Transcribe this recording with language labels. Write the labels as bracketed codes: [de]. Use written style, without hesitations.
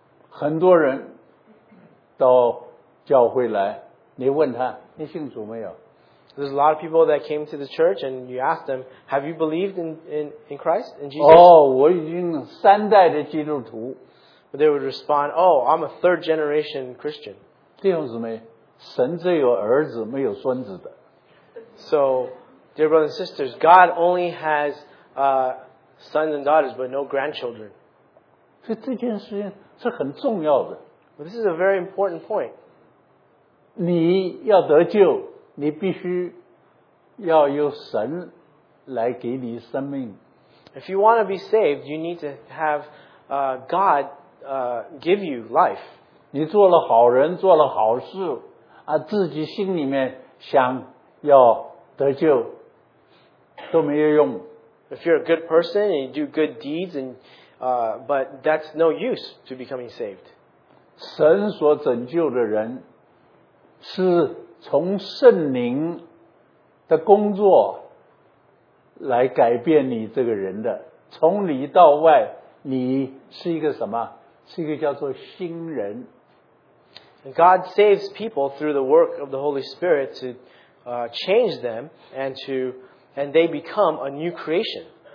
[zh] 很多人到教会来，你问他，你信主没有？ [en] There's a lot of people that came to the church, and you ask them, "Have you believed in Christ, in Jesus?" [zh] 哦，我已经三代的基督徒。 [en] But they would respond, oh, I'm a third generation Christian. [zh] 弟兄姊妹，神只有儿子，没有孙子的。 [en] So, dear brothers and sisters, God only has sons and daughters, but no grandchildren. [zh] 所以这件事情是很重要的。 [en] But this is a very important point. [zh] 你要得救，你必须要由神来给你生命。 [en] If you want to be saved, you need to have God give you life. [zh] 你做了好人，做了好事，啊，自己心里面想要得救，都没有用。 [en] if you're a good person and you do good deeds, and but that's no use to becoming saved. [zh] 神所拯救的人是从圣灵的工作来改变你这个人的，从里到外，你是一个什么？是一个叫做新人。 [en] God saves people through the work of the Holy Spirit to change them and they become a new creation.